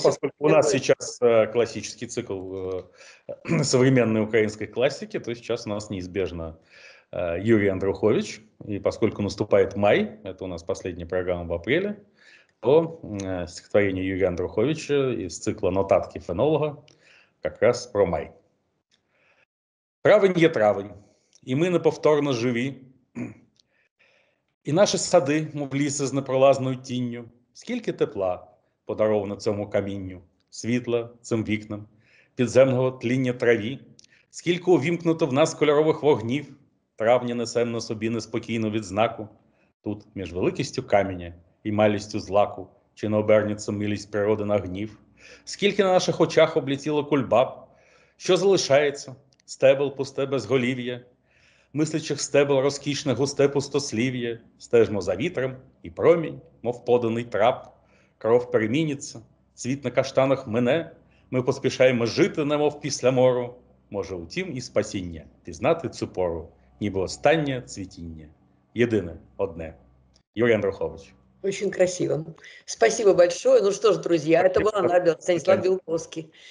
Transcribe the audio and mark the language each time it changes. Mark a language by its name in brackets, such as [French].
[Russian] Поскольку у нас сейчас классический цикл современной украинской классики, то сейчас у нас неизбежно Юрий Андрухович. И поскольку наступает май, это у нас последняя программа в апреле, то стихотворение Юрия Андруховича из цикла «Нотатки фенолога» как раз про май. [Ukrainian] Травень є травень, і ми неповторно живі, і наші сади, мов ліси з непролазною тінню, скільки тепла подаровано цьому камінню, світла цим вікнам, під земного тління траві, скільки увімкнуто в нас кольорових вогнів, травня несем на собі неспокійну відзнаку, тут, між великістю каменя і малістю злаку, чи не обернеться милість природи на гнів, скільки на наших очах облетіло кульбаб, що залишається, стебел пусте без голів'я, мислячих стебел розкішне густе пустослів'я, стежмо за вітром, і промінь, мов поданий трап, кров переміниться, цвіт на каштанах мине, ми поспішаємо жити, немов після мору, може утім і спасіння, пізнати цю пору, ніби останнє цвітіння, єдине, одне. Юрій Андрухович. [Russian] Очень красиво. Спасибо большое. Ну что ж, друзья, это был Анабель Станислав Белковский.